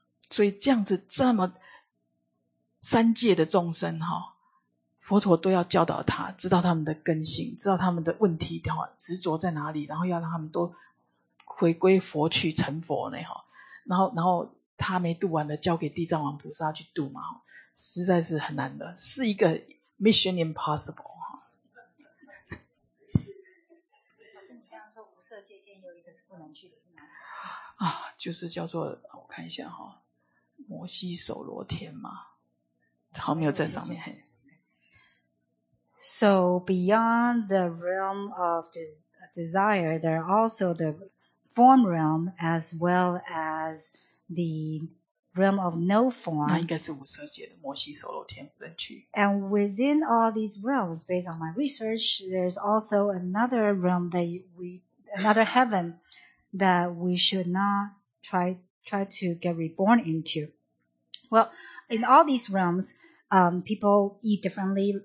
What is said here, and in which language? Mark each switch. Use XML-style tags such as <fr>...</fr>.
<zh>所以这样子这么三界的众生佛陀都要教导他知道他们的根性知道他们的问题执着在哪里然后要让他们都回归佛去成佛然后他没度完的交给地藏王菩萨去度嘛实在是很难的是一个</zh> <en>mission impossible</en> <zh>老师你刚刚说无色界天有一个是不能去的是哪里、啊、就是叫做我看一下摩西首罗天嘛好没有在上面嘿</zh> <en>So beyond the realm of desire, there are also the form realm as well as the realm of no form.</en> <zh>那应该是无色界的摩西首罗天不能去。</zh> <en>And within all these realms, based on my research, there's also another realm another heaven that we should not try to get reborn into. Well, in all these realms,people eat differently.</en>